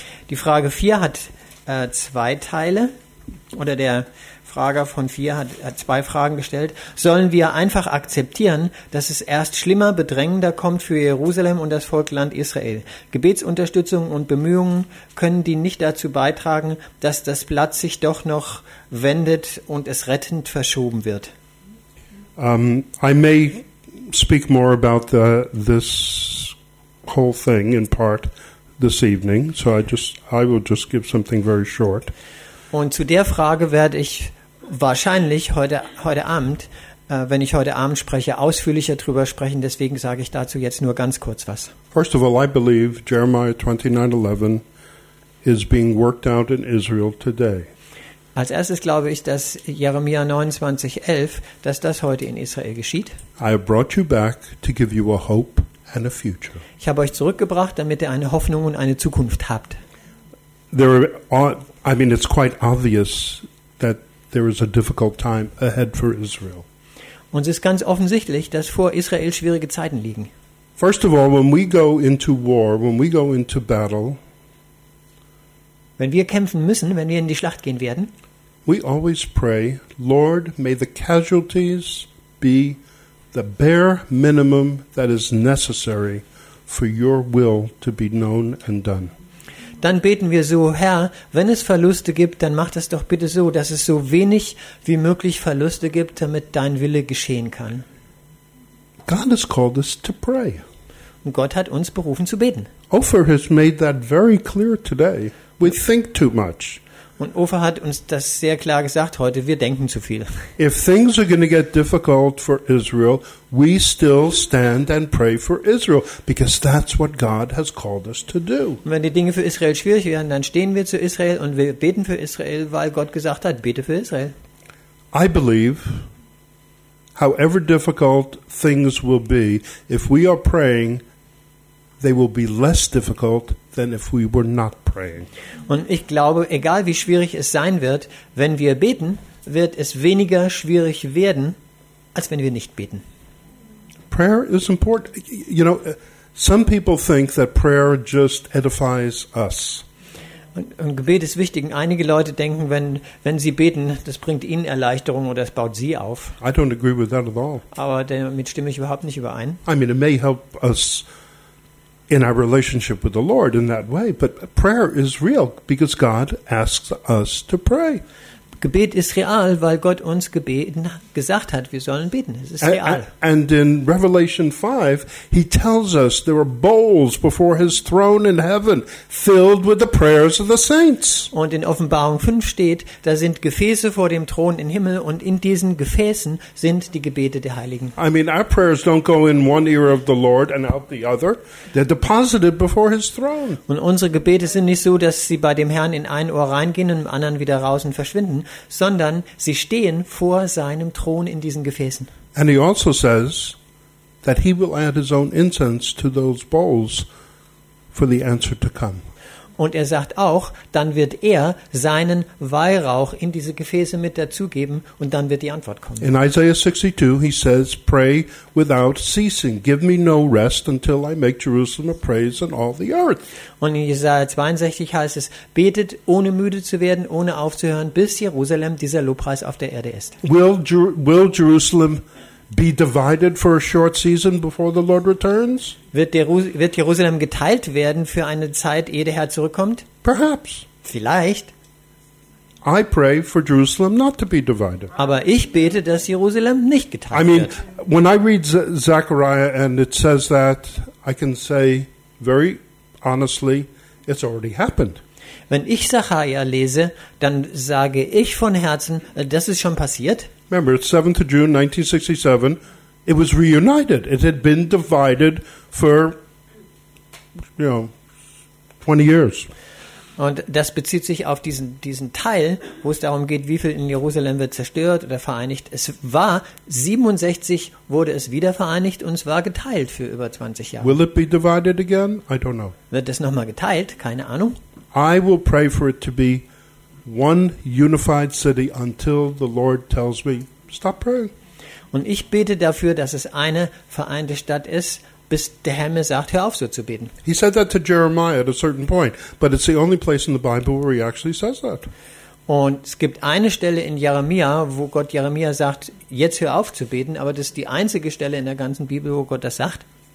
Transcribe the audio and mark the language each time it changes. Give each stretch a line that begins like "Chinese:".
German: Die Frage 4 hat zwei Teile, oder der Frager von 4 hat zwei Fragen gestellt. Sollen wir einfach akzeptieren, dass es erst schlimmer, bedrängender kommt für Jerusalem und das Volk Land Israel? Gebetsunterstützung und Bemühungen, können die nicht dazu beitragen, dass das Blatt sich doch noch wendet und es rettend verschoben wird?
English: I may speak more about this whole thing in part this evening, so I will just give something very short.
German: Und zu der Frage werde ich wahrscheinlich heute Abend, wenn ich heute Abend spreche, ausführlicher drüber sprechen. Deswegen sage ich dazu jetzt nur ganz kurz was.
English: First of all, I believe Jeremiah 29:11 is being worked out in Israel today.
German: Als erstes glaube ich, dass Jeremia 29:11, dass das heute in Israel geschieht.
English: I have brought you back to give you a hope and a future.
German: Ich habe euch zurückgebracht, damit ihr eine Hoffnung und eine Zukunft habt.
English: It's quite obvious that there is a difficult time ahead for Israel.
German: Und es ist ganz offensichtlich, dass vor Israel schwierige Zeiten liegen.
English: First of all, when we go into war, when we go into battle,
German: wenn wir kämpfen müssen, wenn wir in die Schlacht gehen werden,
English: we always pray, Lord, may the casualties be the bare minimum that is necessary for your will to be known and done.
German: Dann beten wir so, Herr, wenn es Verluste gibt, dann mach das doch bitte so, dass es so wenig wie möglich Verluste gibt, damit dein Wille geschehen kann.
English: God has called us to pray.
German: Und Gott hat uns berufen zu beten.
English: Ofer has made that very clear today. We think too much.
German: Und Ofer hat uns das sehr klar gesagt heute, wir denken zu viel.
English: If things are going to get difficult for Israel, we still stand and pray for Israel, because that's what God has called us to do.
German: Wenn die Dinge für Israel schwierig werden, dann stehen wir zu Israel und wir beten für Israel, weil Gott gesagt hat, bete für Israel.
English: I believe, however difficult things will be, if we are praying, they will be less difficult than if we were not praying.
German: Und ich glaube, egal wie schwierig es sein wird, wenn wir beten, wird es weniger schwierig werden, als wenn wir nicht beten.
English: Prayer is important. You know, some people think that prayer just edifies us.
German: Und Gebet ist wichtig. Und einige Leute denken, wenn sie beten, das bringt ihnen Erleichterung oder es baut sie auf.
English: I don't agree with that at all.
German: Aber damit stimme ich überhaupt nicht überein.
English: I mean, it may help us in our relationship with the Lord in that way. But prayer is real because God asks us to pray.
German: Gebet ist real, weil Gott uns gebeten, gesagt hat, wir sollen beten. Es ist real.
English: And in Revelation 5, he tells us there are bowls before his throne in heaven filled with the prayers of the saints.
German: Und in Offenbarung 5 steht, da sind Gefäße vor dem Thron im Himmel und in diesen Gefäßen sind die Gebete der Heiligen.
English: I mean, our prayers don't go in one ear of the Lord and out the other. They're deposited before his throne.
German: Und unsere Gebete sind nicht so, dass sie bei dem Herrn in ein Ohr reingehen und im anderen wieder raus und verschwinden, sondern sie stehen vor seinem Thron in diesen Gefäßen.
English: And he also says that he will add his own incense to those bowls for the answer to come.
German: Und er sagt auch, dann wird er seinen Weihrauch in diese Gefäße mit dazugeben und dann wird die Antwort kommen.
English: In Isaiah 62 he says, pray without ceasing. Give me no rest until I make Jerusalem a praise in all the earth.
German: Und in Jesaja 62 heißt es, betet ohne müde zu werden, ohne aufzuhören, bis Jerusalem dieser Lobpreis auf der Erde ist.
English: Will Jerusalem be divided for a short season before the Lord returns?
German: Wird Jerusalem geteilt werden für eine Zeit, ehe der Herr zurückkommt?
English: Perhaps.
German: Vielleicht.
English: I pray for Jerusalem not to be divided.
German: Aber ich bete, dass Jerusalem nicht geteilt wird.
English: I mean, when I read Zechariah and it says that, I can say very honestly, it's already happened.
German: Wenn ich Zechariah lese, dann sage ich von Herzen, das ist schon passiert.
English: Remember, 7th of June 1967, it was reunited. It had been divided for, you know, 20 years.
German: Und das bezieht sich auf diesen Teil, wo es darum geht, wie viel in Jerusalem wird zerstört oder vereinigt. Es war, 67 wurde es wieder vereinigt und es war geteilt für über 20 Jahre.
English: Will it be divided again? I don't know.
German: Wird es nochmal geteilt? Keine Ahnung.
English: I will pray for it to be one unified city until the Lord tells me stop praying.
German: Und ich bete dafür, dass es eine vereinte Stadt ist, bis der Herr mir sagt, hör auf so zu beten.
English: He said that to Jeremiah at a certain point, but it's the only place in the Bible where he actually says that.
German: Und es gibt eine Stelle in Jeremia, wo Gott Jeremia sagt, jetzt hör auf zu beten, aber das ist die einzige Stelle in der ganzen Bibel, wo Gott das sagt.